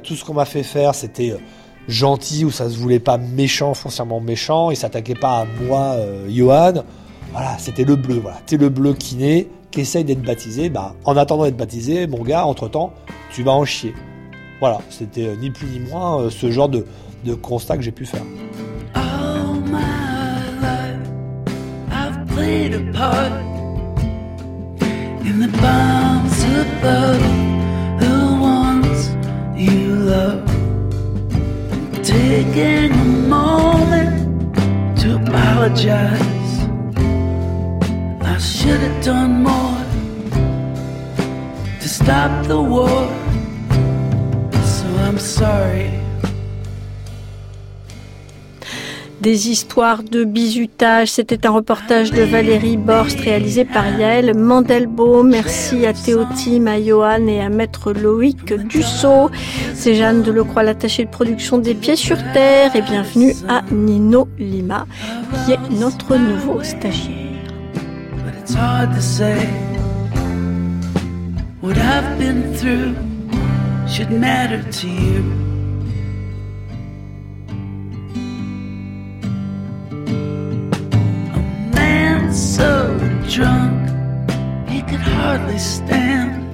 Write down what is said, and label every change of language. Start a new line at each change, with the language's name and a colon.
French: Tout ce qu'on m'a fait faire, c'était gentil, ou ça se voulait pas méchant, foncièrement méchant. Il s'attaquait pas à moi, Johan. Voilà, c'était le bleu. Voilà, t'es le bleu qui naît, qui essaye d'être baptisé. Bah, en attendant d'être baptisé, mon gars, entre-temps, tu vas en chier. Voilà, c'était ni plus ni moins ce genre de constat que j'ai pu faire.
English: All my life, I've played a part in the bombs above, the ones you love. Taking a moment to apologize. I should have done more to stop the war. I'm sorry.
French: Des histoires de bizutage, c'était un reportage de Valérie Borst réalisé par Yaël Mandelbaum. Merci à Théotime, à Johan et à Maître Loïc Dussault. C'est Jeanne Delecroix, l'attachée de production des Pieds sur Terre. Et bienvenue à Nino Lima, qui est notre nouveau stagiaire.
English: But it's hard to say what I've been through. Should matter to you. A man so drunk he could hardly stand.